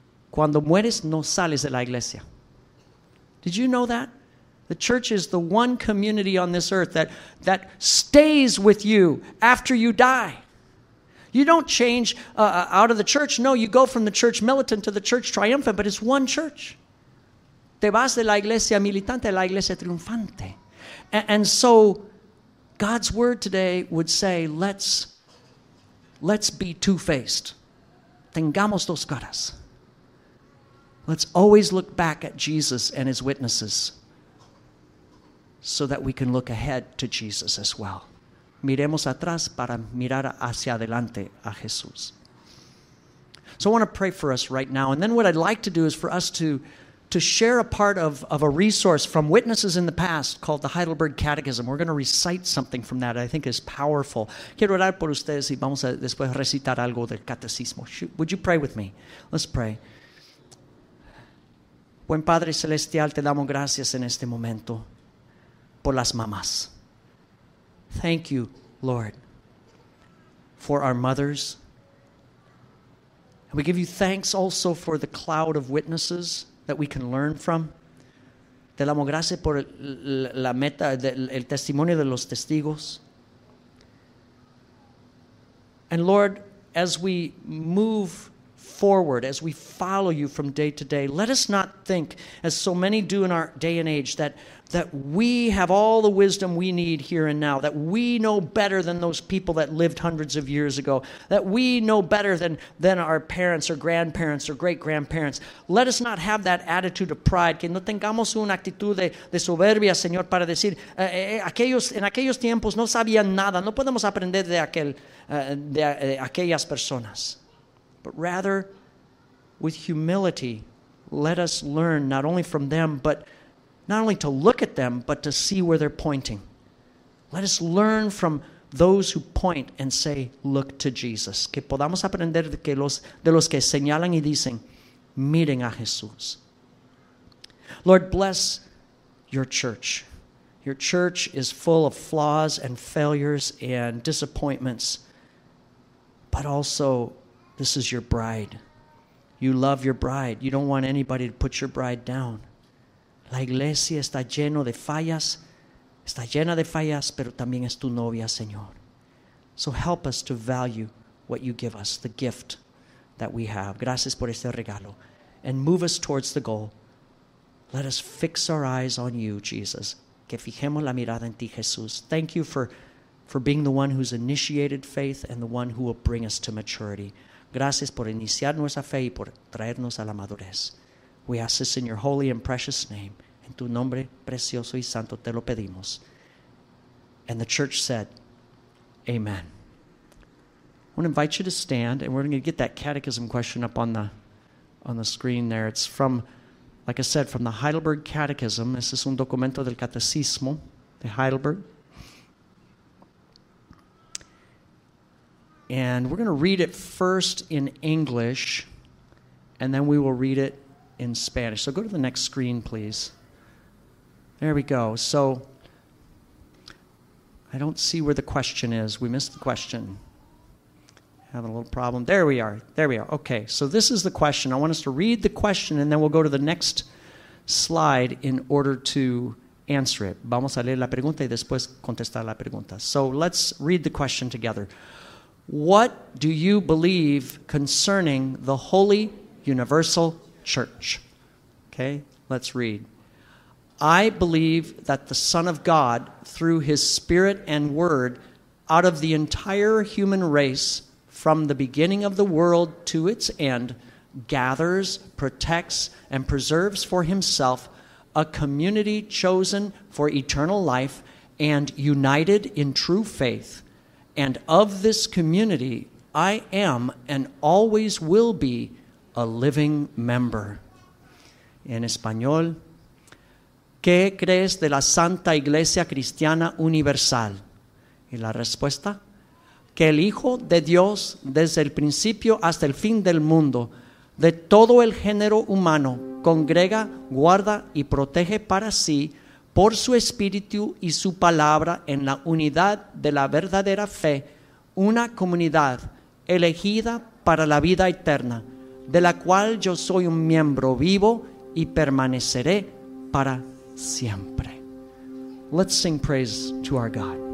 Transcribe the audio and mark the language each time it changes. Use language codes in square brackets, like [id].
[es] Cuando mueres, no sales de la iglesia. [en] Did you know that? The church is the one community on this earth that stays with you after you die. You don't change out of the church. No, you go from the church militant to the church triumphant, but it's one church. [es] Te vas de la iglesia militante a la iglesia triunfante. [en] And so God's word today would say, let's be two-faced. [es] Tengamos dos caras. [en] Let's always look back at Jesus and his witnesses so that we can look ahead to Jesus as well. [es] Miremos atrás para mirar hacia adelante a Jesús. [en] So I want to pray for us right now. And then what I'd like to do is for us to share a part of a resource from witnesses in the past called the Heidelberg Catechism. We're going to recite something from that I think is powerful. [es] Quiero orar por ustedes y vamos a después recitar algo del catecismo. [en] Would you pray with me? Let's pray. [es] Buen Padre Celestial, te damos gracias en este momento por las mamás. [en] Thank you, Lord, for our mothers. And we give you thanks also for the cloud of witnesses that we can learn from. [es] Te damos gracias por la meta, el testimonio de los testigos. [en] And Lord, as we move forward, as we follow you from day to day, let us not think, as so many do in our day and age, that we have all the wisdom we need here and now, that we know better than those people that lived hundreds of years ago, that we know better than our parents or grandparents or great-grandparents. Let us not have that attitude of pride. [es] Que no tengamos una actitud de soberbia, Señor, para decir, aquellos tiempos no sabían nada, no podemos aprender de aquellas personas. [en] But rather, with humility, let us learn not only from them, but not only to look at them, but to see where they're pointing. Let us learn from those who point and say, look to Jesus. [es] Que podamos aprender de los que señalan y dicen, miren a Jesús. [en] Lord, bless your church. Your church is full of flaws and failures and disappointments, but also this is your bride. You love your bride. You don't want anybody to put your bride down. [es] La iglesia está lleno de fallas, está llena de fallas, pero también es tu novia, Señor. [en] So help us to value what you give us, the gift that we have. [es] Gracias por este regalo. [en] And move us towards the goal, Let us fix our eyes on you, Jesus. [es] Que fijemos la mirada en ti, Jesús. [en] Thank you for being the one who's initiated faith and the one who will bring us to maturity. [es] Gracias por iniciar nuestra fe y por traernos a la madurez. [en] We ask this in your holy and precious name. [es] En tu nombre precioso y santo te lo pedimos. [en] And the church said, amen. I want to invite you to stand, and we're going to get that catechism question up on the screen there. It's from, like I said, from the Heidelberg Catechism. This is [es] un documento del catecismo de Heidelberg. [en] And we're going to read it first in English, and then we will read it in Spanish. So go to the next screen, please. There we go. So I don't see where the question is. We missed the question. Having a little problem. There we are. Okay, so this is the question. I want us to read the question, and then we'll go to the next slide in order to answer it. Vamos a leer la pregunta y después contestar la pregunta. So let's read the question together. What do you believe concerning the Holy Universal Church? Okay, let's read. I believe that the Son of God, through His Spirit and Word, out of the entire human race, from the beginning of the world to its end, gathers, protects, and preserves for himself a community chosen for eternal life and united in true faith. And of this community, I am and always will be a living member. [es] En español, ¿qué crees de la Santa Iglesia Cristiana Universal? Y la respuesta, que el Hijo de Dios, desde el principio hasta el fin del mundo, de todo el género humano, congrega, guarda y protege para sí, por su Espíritu y su Palabra en la unidad de la verdadera fe, una comunidad elegida para la vida eterna, de la cual yo soy un miembro vivo y permaneceré para siempre. [en] Let's sing praise to our God.